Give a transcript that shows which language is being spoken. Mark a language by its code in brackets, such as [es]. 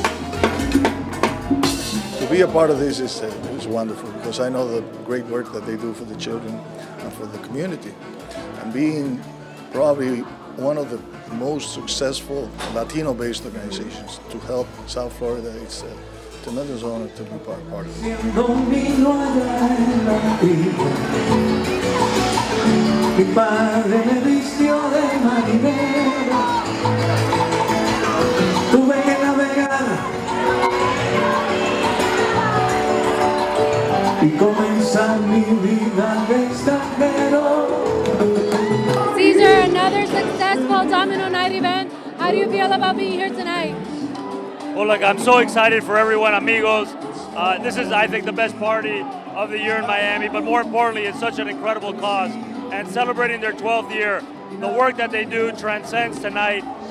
[en] To be a part of this is wonderful, because I know the great work that they do for the children and for the community. And being probably one of the most successful Latino-based organizations to help South Florida, it's a tremendous honor to be part of it. [es] Mi padre me vistió de marinero, tuve que navegar y comenzar mi vida de extranjero. [en] Caesar, another successful Domino Night event. How do you feel about being here tonight? Well, look, I'm so excited for everyone, amigos. This is, I think, the best party of the year in Miami, but more importantly, it's such an incredible cause. And celebrating their 12th year, the work that they do transcends tonight.